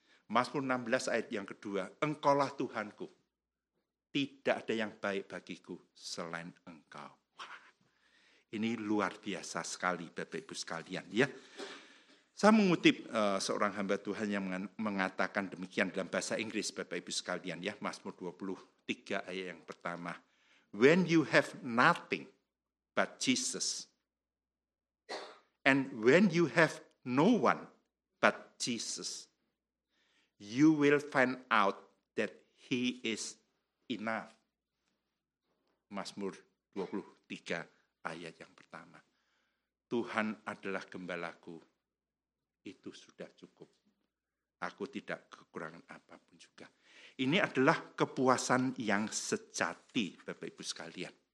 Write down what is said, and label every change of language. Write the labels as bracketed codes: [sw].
[id] Mazmur 16 ayat yang kedua, engkaulah Tuhanku, tidak ada yang baik bagiku selain engkau. Wah, ini luar biasa sekali Bapak Ibu sekalian. Ya. Saya mengutip seorang hamba Tuhan yang mengatakan demikian dalam bahasa Inggris Bapak Ibu sekalian. Ya. Mazmur 23 ayat yang pertama, [en] when you have nothing but Jesus, and when you have no one but Jesus, you will find out that he is enough. [id] Mazmur 23 ayat yang pertama. Tuhan adalah gembalaku, itu sudah cukup. Aku tidak kekurangan apapun juga. Ini adalah kepuasan yang sejati Bapak Ibu sekalian.